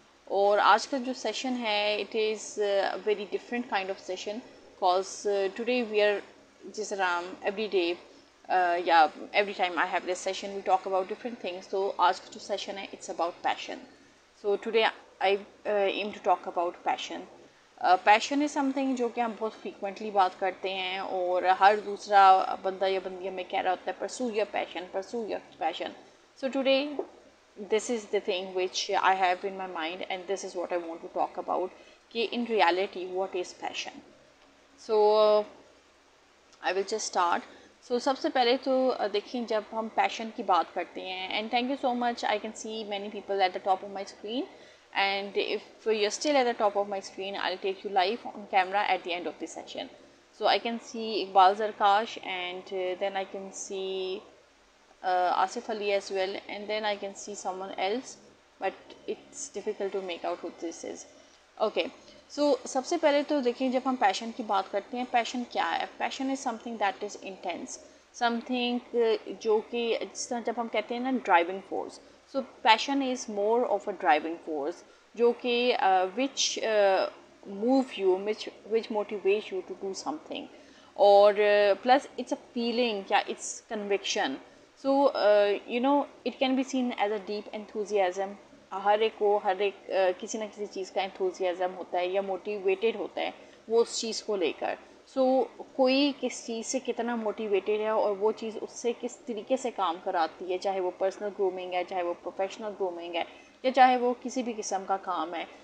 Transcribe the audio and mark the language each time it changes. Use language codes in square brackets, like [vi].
[hi] और आज का जो सेशन है, [en] It is a very different kind of session, because today we are जिस राम every day या every time I have this session we talk about different things. [hi] तो आज का जो सेशन है, [en] It's about passion. So today I am to talk about passion. [hi] Passion is something जो कि हम बहुत फ्रीक्वेंटली बात करते हैं, और हर दूसरा बंदा या बंदी हमें कह रहा होता है, [en] Pursue your passion, pursue your passion. So today this is the thing which I have in my mind and this is what I want to talk about, ki in reality what is passion. So I will just start. So [hi] sabse pehle to dekhiye, jab hum passion ki baat karte hain, [en] and thank you so much, I can see many people at the top of my screen, and if you're still at the top of my screen, I'll take you live on camera at the end of the session. So I can see Iqbal Zarkash, and then I can see Asif Ali as well, and then I can see someone else, but it's difficult to make out who this is. [hi] Okay, so सबसे पहले तो देखें, जब हम passion की बात करते हैं, passion क्या है? [en] Passion is something that is intense, something [hi] जो कि जिस तरह जब हम कहते हैं ना [en] driving force, so passion is more of a driving force, जो कि which move you, which motivates you to do something, or plus it's a feeling, yeah, it's conviction. So you know it can be seen as a deep enthusiasm. [hi] हर एक किसी ना किसी चीज़ का एंथूजियाज़म होता है या मोटिवेटेड होता है वो उस चीज़ को लेकर। सो कोई किस चीज़ से कितना मोटिवेटेड है और वो चीज़ उससे किस तरीके से काम कराती है, चाहे वो पर्सनल ग्रूमिंग है, चाहे वो प्रोफेशनल ग्रूमिंग है, या चाहे वो किसी भी किस्म का काम है।